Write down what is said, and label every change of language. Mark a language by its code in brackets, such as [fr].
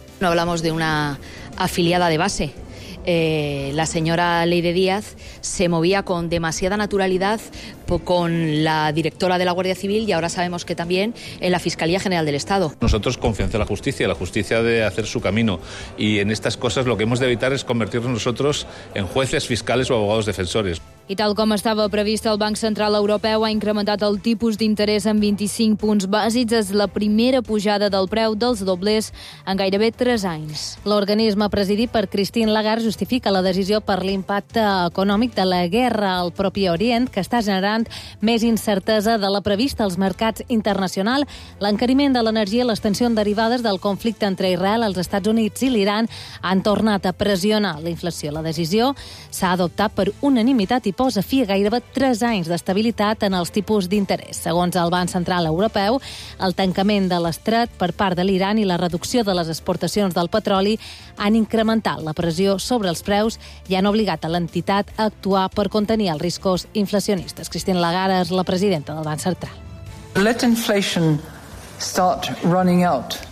[es] No hablamos de una afiliada de base. La señora Leire Díaz se movía con demasiada naturalidad con la directora de la Guardia Civil y ahora sabemos que también en la Fiscalía General del Estado. Nosotros confiamos en la justicia debe hacer su camino y en estas cosas lo que hemos de evitar es convertirnos nosotros en jueces, fiscales o abogados defensores. [ca] I tal com estava previst, el Banc Central Europeu ha incrementat el tipus d'interès en 25 punts bàsics. És la primera pujada del preu dels doblers en gairebé 3 anys. L'organisme presidit per Christine Lagarde justifica la decisió per l'impacte econòmic de la guerra al propi Orient, que està generant més incertesa de la prevista als mercats internacionals. L'encariment de l'energia i les tensions derivades del conflicte entre Israel, els Estats Units i l'Iran han tornat a pressionar la inflació. La decisió s'ha adoptat per unanimitat i posa fi a gairebé 3 anys d'estabilitat en els tipus d'interès. Segons el Banc Central Europeu, el tancament de l'estret per part de l'Iran i la reducció de les exportacions del petroli han incrementat la pressió sobre els preus i han obligat a l'entitat a actuar per contenir els riscos inflacionistes. Christine Lagarde és la presidenta del Banc Central. [en] Let inflation start running out.